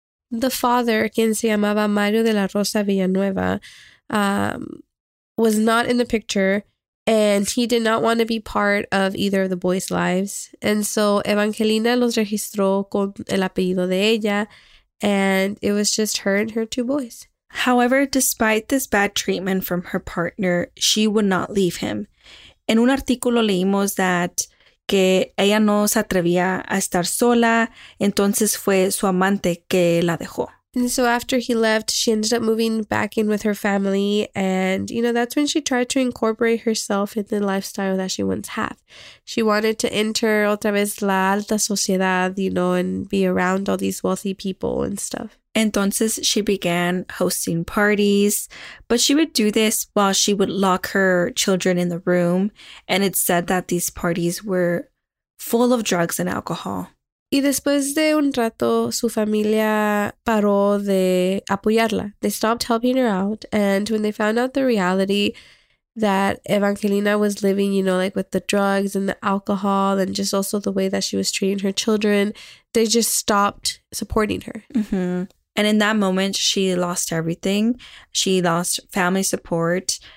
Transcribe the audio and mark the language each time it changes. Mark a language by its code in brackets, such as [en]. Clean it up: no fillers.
[en] The father, [es] quien se llamaba [en] Mario de la Rosa Villanueva, was not in the picture, and he did not want to be part of either of the boys' lives. And so Evangelina [es] los registró con el apellido de ella, [en] and it was just her and her two boys. However, despite this bad treatment from her partner, she would not leave him. [es] En un artículo leímos [en] that [es] que ella no se atrevía a estar sola, entonces fue su amante que la dejó. [en] And so after he left, she ended up moving back in with her family. And, you know, that's when she tried to incorporate herself in the lifestyle that she once had. She wanted to enter [es] otra vez la alta sociedad, [en] you know, and be around all these wealthy people and stuff. [es] Entonces [en] she began hosting parties, but she would do this while she would lock her children in the room. And it's said that these parties were full of drugs and alcohol. [es] Y después de un rato, su familia paró de apoyarla. [en] They stopped helping her out. And when they found out the reality that Evangelina was living, you know, like with the drugs and the alcohol and just also the way that she was treating her children, they just stopped supporting her. Mm-hmm. And in that moment, she lost everything. She lost family support.